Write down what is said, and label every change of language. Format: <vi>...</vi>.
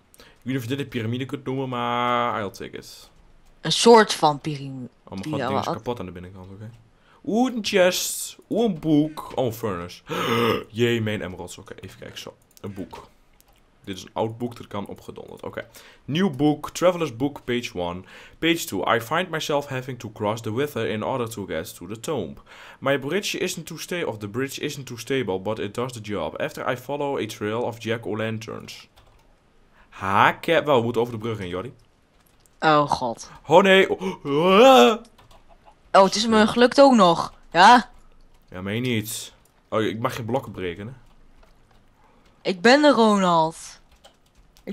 <nl>Ik weet niet of je dit een piramide kunt noemen, maar</nl> <en>I'll take it.</en> <nl>Een soort van piramide. Oh mijn god, het ding is kapot aan de binnenkant, oké. Oeh, een chest. Oeh, een boek. Oh, een furnace. Jee, mijn emeralds. Oké, even kijken. Zo, een boek. Dit is een oud boek, dat kan opgedonderd.</nl> <en>Oké. Okay.</en> <nl>Nieuw boek.</nl> <en>Traveler's Book, page 1. Page 2. I find myself having to cross the wither in order to get to the tomb. My bridge isn't too stable. Of the bridge isn't too stable, but it does the job. After I follow a trail of jack-o'-lanterns.</en> <nl>Haakje. Wel, we moeten over de brug heen, Jordi.</nl> <en>Oh god.</en> <nl>Oh nee. Oh. Oh, het is me Spin. gelukt ook nog. Ja? Ja, meen niet. Oh, ik mag geen blokken breken, hè? Ik ben er, Ronald. Ik</nl>